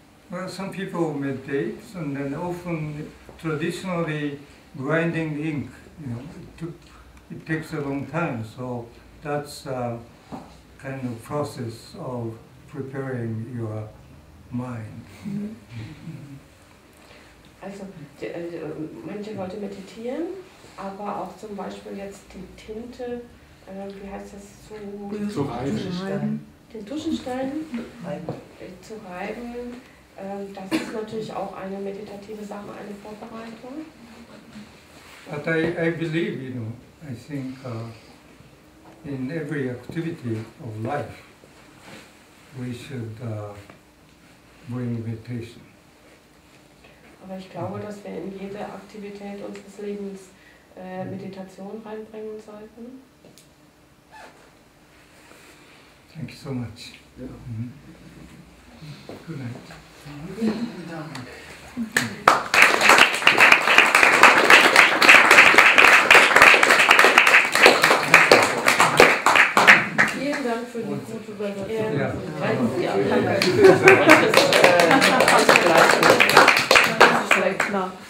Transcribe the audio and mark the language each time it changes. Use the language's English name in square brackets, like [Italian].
[English] Well, some people meditate, and then often traditionally grinding ink, you know, it takes a long time, so that's a kind of process of preparing your mind. Mm-hmm. [German] Also, manche Leute meditieren, aber auch zum Beispiel jetzt die Tinte, wie heißt das, zu reinigen. Den Tuschenstein zu reiben, das ist natürlich auch eine meditative Sache, eine Vorbereitung. [English] But I believe, you know, I think in every activity of life we should bring meditation. [German] Aber ich glaube, dass wir in jeder Aktivität unseres Lebens Meditation reinbringen sollten. [English] Thank you so much. Yeah. Mm-hmm. Good night. [German] Vielen Dank.